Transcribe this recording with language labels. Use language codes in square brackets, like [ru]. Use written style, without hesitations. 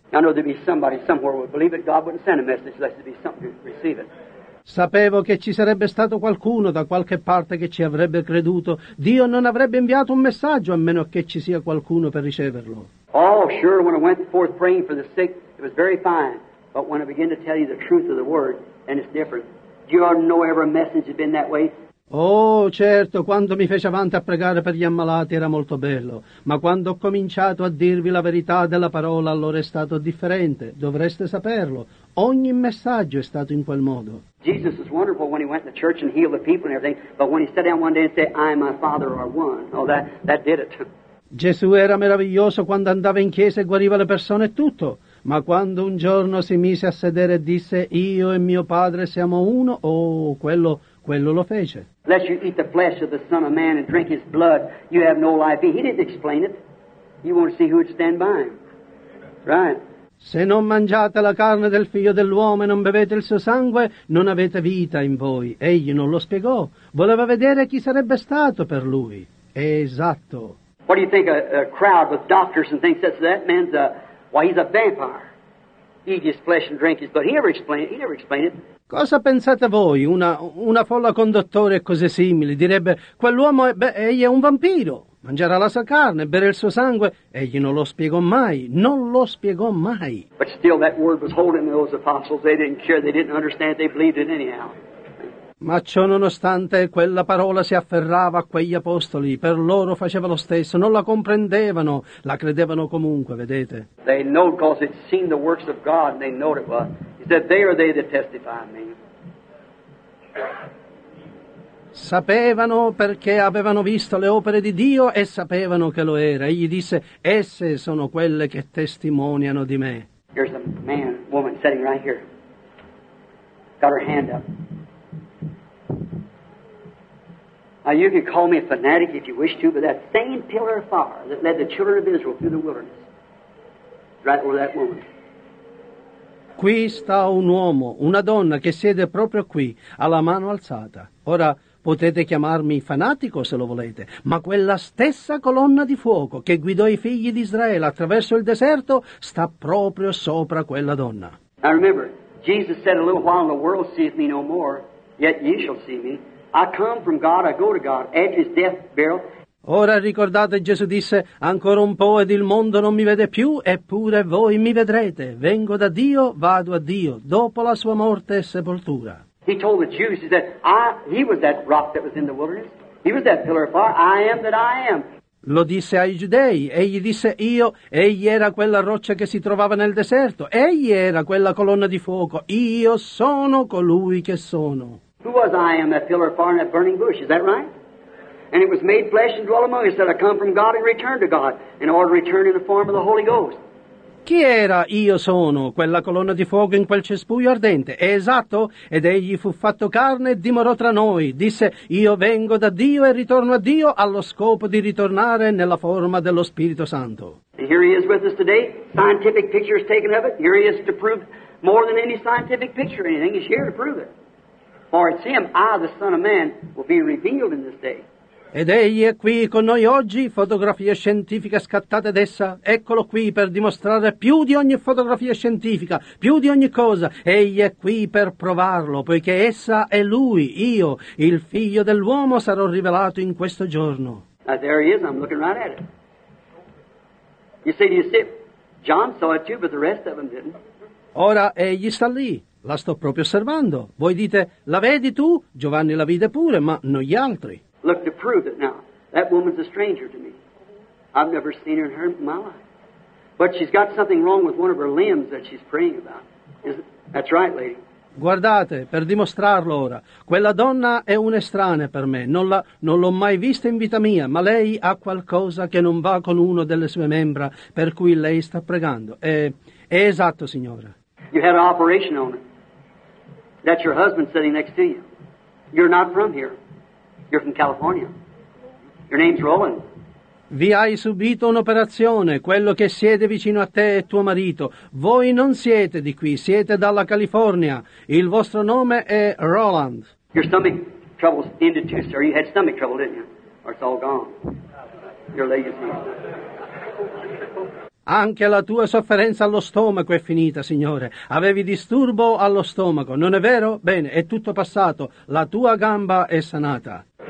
[en] I know there'd be somebody somewhere would believe it, God wouldn't send a message unless there'd be something to receive it. [it] Sapevo che ci sarebbe stato qualcuno da qualche parte che ci avrebbe creduto. Dio non avrebbe inviato un messaggio a meno che ci sia qualcuno per riceverlo. [en] Oh, sure, when I went forth praying for the sick, it was very fine. But when I begin to tell you the truth of the word, then it's different. Do you know every message has been that way? [it] Oh, certo, quando mi fece avanti a pregare per gli ammalati era molto bello. Ma quando ho cominciato a dirvi la verità della parola, allora è stato differente. Dovreste saperlo. Ogni messaggio è stato in quel modo. [en] Jesus was wonderful when he went to the church and healed the people and everything. But when he sat down one day and said, I and my Father are one. Oh, that did it. [it] Gesù era meraviglioso quando andava in chiesa e guariva le persone e tutto, ma quando un giorno si mise a sedere e disse io e mio padre siamo uno, oh, quello lo fece. [en] Unless you eat the flesh of the Son of Man and drink his blood, you have no life. He didn't explain it. You want to see who would stand by him. Right. [it] Se non mangiate la carne del figlio dell'uomo e non bevete il suo sangue, non avete vita in voi. Egli non lo spiegò. Voleva vedere chi sarebbe stato per lui. Esatto. [en] What do you think a crowd with doctors and things says that man's he's a vampire. He eats flesh and drink his blood. He never explained it. [it] Cosa pensate voi? Una folla con dottori e cose simili direbbe quell'uomo egli è un vampiro. Mangerà la sua carne, bere il suo sangue. Egli non lo spiegò mai. Non lo spiegò mai. [en] But still that word was holding those apostles. They didn't care. They didn't understand. They believed it anyhow. [it] Ma ciò nonostante, quella parola si afferrava a quegli apostoli, per loro faceva lo stesso, non la comprendevano, la credevano comunque, vedete? [en] They know because it's seen the works of God, and they know it was. He said, they are they that testify me. [it] Sapevano perché avevano visto le opere di Dio e sapevano che lo era. Egli disse, esse sono quelle che testimoniano di me. [en] Here's a man, woman, sitting right here. Got her hand up. Now you can call me a fanatic if you wish to, but that same pillar of fire that led the children of Israel through the wilderness, right over that woman. [it] Qui sta un uomo, una donna che siede proprio qui, alla mano alzata. Ora potete chiamarmi fanatico se lo volete, ma quella stessa colonna di fuoco che guidò i figli di Israele attraverso il deserto sta proprio sopra quella donna. [en] Now remember, Jesus said a little while the world seeth me no more, yet ye shall see me. I come from God, I go to God. At his death burial. [it] Ora ricordate, Gesù disse, ancora un po' ed il mondo non mi vede più, eppure voi mi vedrete. Vengo da Dio, vado a Dio, dopo la sua morte e sepoltura. [en] He told the Jews, he said, he was that rock that was in the wilderness. He was that pillar of fire, I am that I am. [it] Lo disse ai giudei, egli disse io, egli era quella roccia che si trovava nel deserto, egli era quella colonna di fuoco, io sono colui che sono. [en] Who was I am, that pillar of fire and that burning bush, is that right? And it was made flesh and dwell among us, that I come from God and return to God, in order to return in the form of the Holy Ghost. [it] Chi era io sono, quella colonna di fuoco in quel cespuglio ardente? È esatto, ed egli fu fatto carne e dimorò tra noi. Disse, io vengo da Dio e ritorno a Dio allo scopo di ritornare nella forma dello Spirito Santo. [en] And here he is with us today, scientific picture is taken of it. Here he is to prove more than any scientific picture, anything, he's here to prove it. For it's him, I, the Son of Man, will be revealed in this day. [it] Ed egli è qui con noi oggi, fotografia scientifica scattata ed essa, eccolo qui per dimostrare più di ogni fotografia scientifica, più di ogni cosa, egli è qui per provarlo, poiché essa è lui, io, il figlio dell'uomo, sarò rivelato in questo giorno. [en] There he is, I'm looking right at it. You see, do you see? John saw it too, but the rest of them didn't. [it] Ora egli sta lì, la sto proprio osservando. Voi dite, la vedi tu? Giovanni la vide pure, ma non gli altri. [en] Look to prove it now. That woman's a stranger to me. I've never seen her in her in my life. But she's got something wrong with one of her limbs that she's praying about. That's right, lady. [it] Guardate, per dimostrarlo ora, quella donna è un'estranea per me. Non l'ho mai vista in vita mia, ma lei ha qualcosa che non va con uno delle sue membra per cui lei sta pregando. È esatto, signora. [en] You had an operation on it. That's your husband sitting next to you. You're not from here. You're from California. Your name's Roland. [it] Vi hai subito un'operazione. Quello che siede vicino a te è tuo marito. Voi non siete di qui. Siete dalla California. Il vostro nome è Roland. [en] Your stomach trouble's ended too, sir. You had stomach trouble, didn't you? Or it's all gone. Your leg is gone. [it] Anche la tua sofferenza allo stomaco è finita, signore. Avevi disturbo allo stomaco, non è vero? Bene, è tutto passato. La tua gamba è sanata.